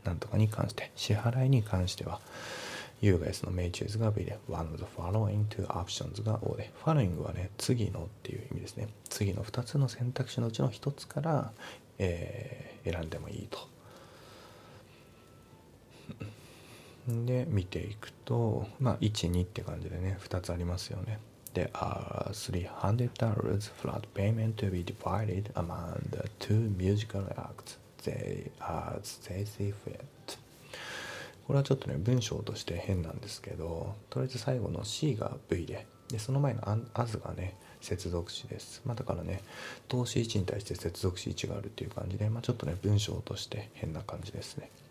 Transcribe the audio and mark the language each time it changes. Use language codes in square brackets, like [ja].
[ja] なんとかに関して、支払いに関しては、U が S のメイチューズが V で、 [en] One of the following two options [ja] が O で、following はね、次のっていう意味ですね。次の2つの選択肢のうちの1つから、選んでもいいと。で見ていくと、まあ、1、2って感じでね、2つありますよね。 [en] で、$300 flat payment to be divided among the two musical acts they as they see fit。 [ja] これはちょっとね文章として変なんですけど、とりあえず最後の C が V で、でその前の as がね接続詞です。まあ、だからね、動詞1に対して接続詞1があるっていう感じで、まあ、ちょっとね文章として変な感じですね。